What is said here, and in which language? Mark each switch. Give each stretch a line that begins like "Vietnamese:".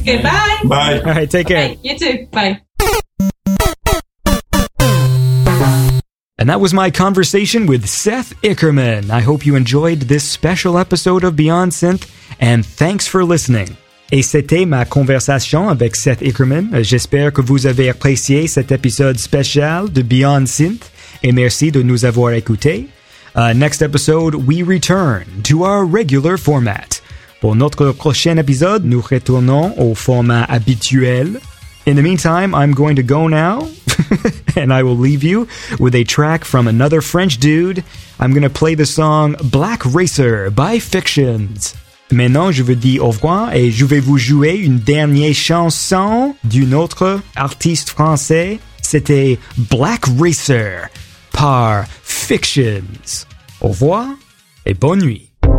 English: Okay, bye. Bye. All right, take care. Okay, you too. Bye. And that was my conversation with Seth Ickerman. I hope you enjoyed this special episode of Beyond Synth, and thanks for listening.
French: Et c'était ma conversation avec Seth Ickerman. J'espère que vous avez apprécié cet épisode spécial de Beyond Synth. Et merci de nous avoir écoutés.
English: Next episode, we return to our regular format.
French: Pour notre prochain épisode, nous retournons au format habituel.
English: In the meantime, I'm going to go now. And I will leave you with a track from another French dude. I'm going to play the song Black Racer by Fictions.
French: Maintenant, je vous dis au revoir et je vais vous jouer une dernière chanson d'une autre artiste français. C'était Black Racer par Fictions. Au revoir et bonne nuit.